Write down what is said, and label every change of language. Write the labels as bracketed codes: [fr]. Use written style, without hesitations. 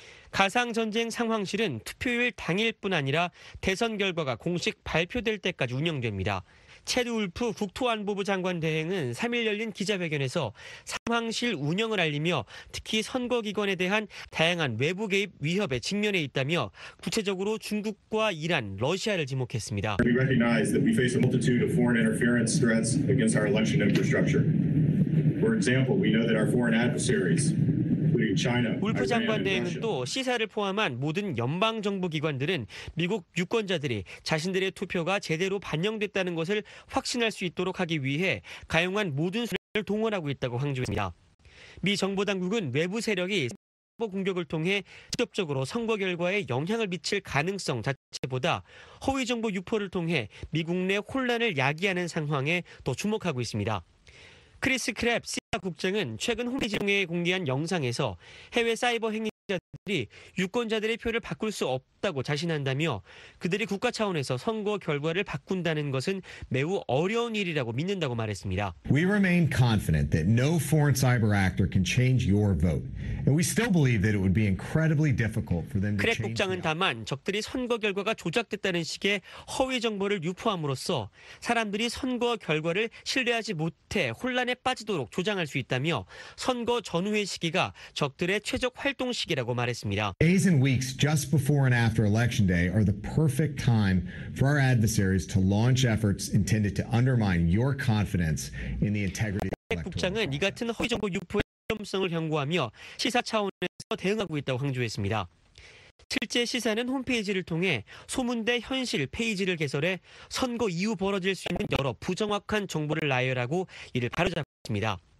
[ko] 가상전쟁 상황실은 투표일 당일뿐 아니라 대선 결과가 공식 발표될 때까지 운영됩니다. 체드 울프 국토안보부 장관 대행은 3일 열린 기자회견에서 상황실 운영을 알리며 특히 선거기관에 대한 다양한 외부 개입 위협에 직면해 있다며 구체적으로 중국과 이란, 러시아를 지목했습니다. [en] We recognize that we face a multitude of foreign interference threats against our election infrastructure. For example, we know that our foreign adversaries [ko] 울프 장관 대행은 또 시사를 포함한 모든 연방정부기관들은 미국 유권자들이 자신들의 투표가 제대로 반영됐다는 것을 확신할 수 있도록 하기 위해 가용한 모든 수단을 동원하고 있다고 강조했습니다. 미 정보당국은 외부 세력이 사이버 공격을 통해 직접적으로 선거 결과에 영향을 미칠 가능성 자체보다 허위 정보 유포를 통해 미국 내 혼란을 야기하는 상황에 더 주목하고 있습니다. 크리스 크랩 CIA 국장은 최근 홈페이지에 공개한 영상에서 해외 사이버 행위자들이 유권자들의 표를 바꿀 수 없다고 자신한다며 그들이 국가 차원에서 선거 결과를 바꾼다는 것은 매우 어려운 일이라고 믿는다고 말했습니다. [en] We remain confident that no foreign cyber actor can change your vote. And we still believe that it would be incredibly difficult for them to change. [ko] 크랩 국장은 다만 적들이 선거 결과가 조작됐다는 식의 허위 정보를 유포함으로써 사람들이 선거 결과를 신뢰하지 못해 혼란에 빠지도록 조장할 수 있다며 선거 전후의 시기가 적들의 최적 활동 시기라고 말했습니다. [en] Days and weeks just before and after election day are the perfect time for our adversaries to launch efforts intended to undermine your confidence in the integrity. [ko] 국장은 이 같은 허위정보 유포의 위험성을 경고하며 시사 차원에서 대응하고 있다고 강조했습니다. 실제 시사는 홈페이지를 통해 소문대 현실 페이지를 개설해 선거 이후 벌어질 수 있는 여러 부정확한 정보를 나열하고 이를 바로잡고 있습니다.